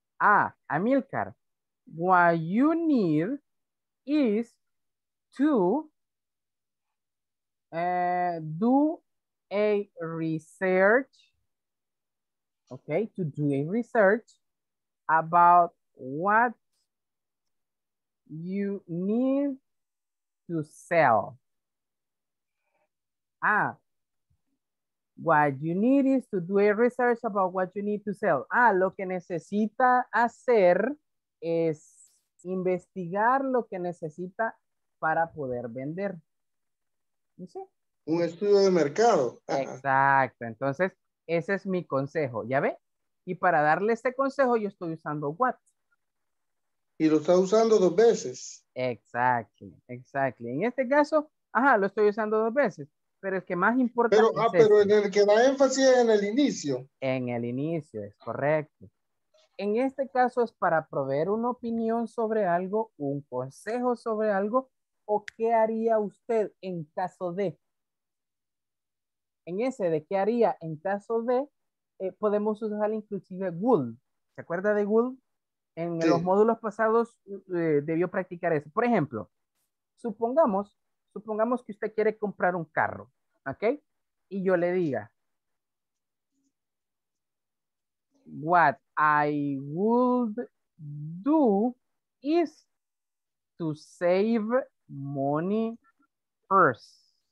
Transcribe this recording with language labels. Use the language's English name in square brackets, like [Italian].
[English] Ah, Amilcar, what you need is to do a research, okay, to do a research about what you need to sell. Ah, what you need is to do a research about what you need to sell. [Spanish] Ah, lo que necesita hacer es investigar lo que necesita para poder vender. ¿Sí? Un estudio de mercado. Exacto. Entonces, ese es mi consejo. ¿Ya ve? Y para darle este consejo, yo estoy usando what. Y lo está usando dos veces. Exacto. En este caso, lo estoy usando dos veces. Pero el que más importante pero en el que da énfasis es en el inicio. En el inicio, es correcto. En este caso es para proveer una opinión sobre algo, un consejo sobre algo, o qué haría usted en caso de. En ese de qué haría en caso de, podemos usar inclusive would. ¿Se acuerda de would? En sí. Los módulos pasados debió practicar eso. Por ejemplo, supongamos que usted quiere comprar un carro, ¿ok? Y yo le diga, [English] what I would do is to save money first.